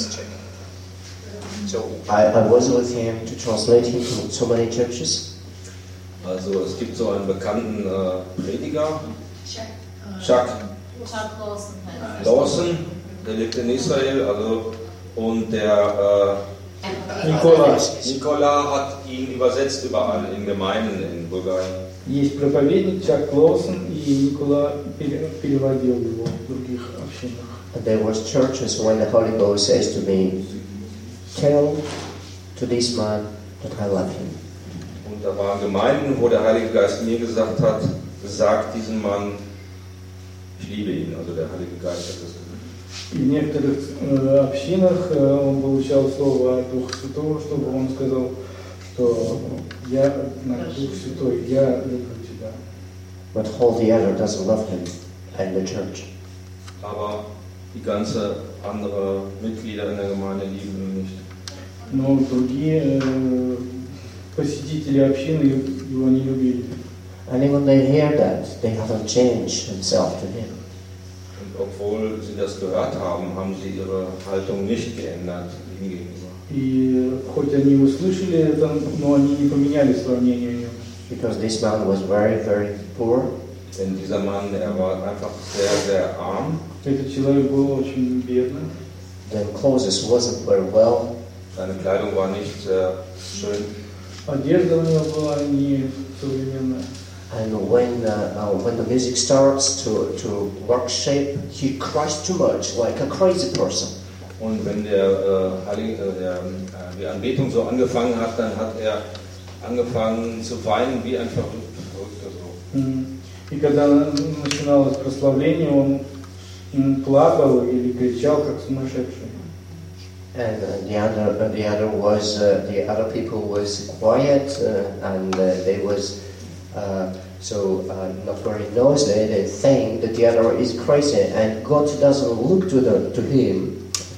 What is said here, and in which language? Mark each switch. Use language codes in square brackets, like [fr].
[en] Charlie, yes. So I was with him to translate him from so many churches. [de] Also es gibt so einen bekannten Prediger, Chuck Lawson. Lawson, der lebt in Israel, also und der Nikola hat ihn übersetzt überall in Gemeinden in Bulgarien. [ru] Есть проповедник Chuck Lawson и Nikola переводил его в других общинах. [en] And there was churches when the Holy Ghost says to me, tell to this man that I love him. [de] Da waren Gemeinden, wo der Heilige Geist mir gesagt hat, sag diesem Mann, ich liebe ihn. Also der Heilige Geist hat das gesagt. [ru] In некоторых общинах он получал слово от Духа Святого, чтобы он сказал, что я на Дух Святой, я люблю тебя. [en] But all the other doesn't love him and the church. [de] Aber die ganze andere Mitglieder in der Gemeinde lieben ihn nicht. [ru] Но другие посетители общины его не любили. [en] And when they hear that, they haven't changed themselves to him. [de] Und obwohl sie das gehört haben, haben sie ihre Haltung nicht geändert ihm gegenüber. [ru] И хоть они услышали это, но они не поменяли своё мнение о нём. [en] Because this man was very, very poor. [de] Denn dieser Mann, er war einfach sehr, sehr arm. [ru] Этот человек был очень бедным. [en] Their clothes wasn't very well. [de] Seine Kleidung war nicht schön. [ru] Одежда у него была не современная. [en] And when the music starts to work shape, he cries too much, like a crazy person. [de] Und wenn die Anbetung so angefangen hat, dann hat er angefangen zu weinen wie ein Verrückter so. [ru] И когда начиналось прославление, он плакал или кричал как сумасшедший. [en] And the other people was quiet and they was not very noisy. They think that the other is crazy and God doesn't look to them, to him.